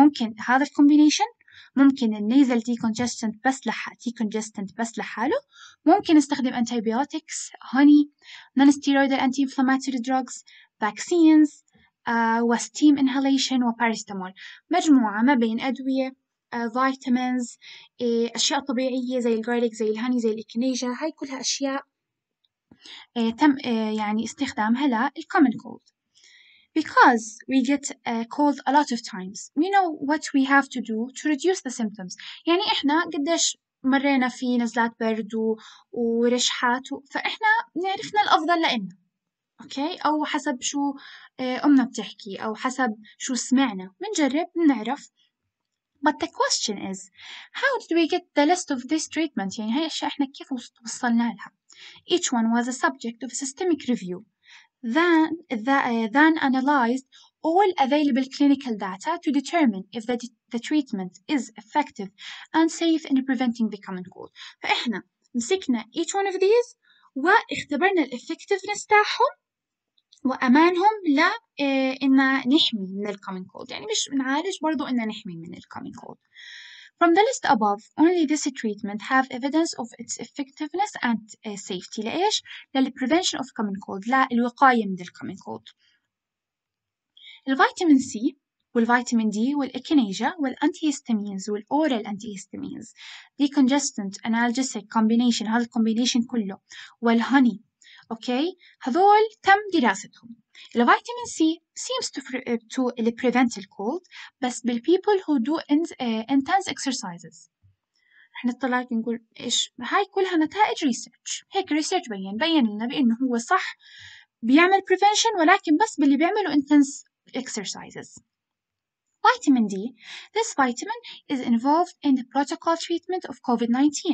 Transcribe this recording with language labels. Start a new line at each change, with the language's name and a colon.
Arabic: ممكن هذا الكومبينيشن، ممكن النيزل decongestant بس decongestant بس لحاله، ممكن نستخدم antibiotics، honey، non-steroidal anti-inflammatory drugs، vaccines، وsteam inhalation وparacetamol. مجموعة ما بين أدوية، vitamins، أشياء طبيعية زي الجارليك زي الهاني زي الإكنيجا، هاي كلها أشياء تم يعني استخدامها للcommon cold.
English: Because we get cold a lot of times, we know what we have to do to reduce the symptoms.
Arabic: يعني إحنا قديش مرينا في نزلات برد ورشحات، فإحنا نعرفنا الأفضل لإنا، okay؟ أو حسب شو أمنا بتحكي، أو حسب شو سمعنا، منجرب نعرف.
English: But the question is, how did we get the list of this treatment؟
Arabic: يعني هاي الأشياء إحنا كيف وصلنا لها؟
English: Each one was a subject of a systemic review. Then analyzed all available clinical data to determine if the treatment is effective and safe in preventing the common cold.
Arabic: فإحنا مسكنا
English: each one of these
Arabic: واختبرنا الإفكتيفنس تاعهم وأمانهم لإن نحمي من الكومن كولد، يعني مش نعالج برضو إن نحمي من الكومن كولد.
English: From the list above, only this treatment have evidence of its effectiveness and safety.
Arabic: لإيش؟ لل
English: prevention of common cold،
Arabic: للوقاية من الcommon cold. الفيتامين C والفيتامين D والإكنيجيا والأنتيهيستامينز والأورال أنتيهيستامينز، decongestant، analgesic، combination، هذا الcombination كله، والهوني، أوكي؟ هذول تم دراستهم.
English: الفيتامين C seems to prevent the cold بس بالpeople who do intense exercises.
Arabic: رح نطلع نقول إيش هاي كلها نتائج ريسيرش، هيك ريسيرش بين لنا بأنه هو صح بيعمل prevention ولكن بس باللي بيعملوا intense exercises.
English: Vitamin D, this vitamin is involved in the protocol treatment of COVID-19.